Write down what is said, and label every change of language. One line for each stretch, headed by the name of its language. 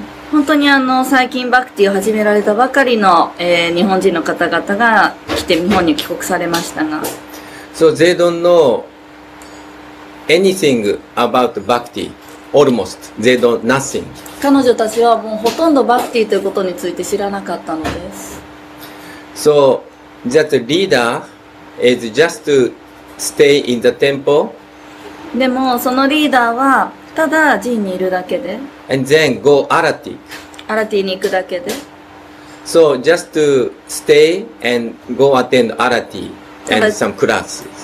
Japanese: 本当にあの最近バクティを始められたばかりの、日本人の方々が来て日本に帰国されましたが、
English: So they don't know anything about bhakti. Almost they don't nothing.
Japanese: 彼女たちはもうほとんどバクティということについて知らなかったのです。
English: So that leader is just to stay in the temple.
Japanese: でもそのリーダーはただ寺にいるだけで。
English: And then go arati.
Japanese: Arati に行くだけで。
English: So just to stay and go attend arati and some classes.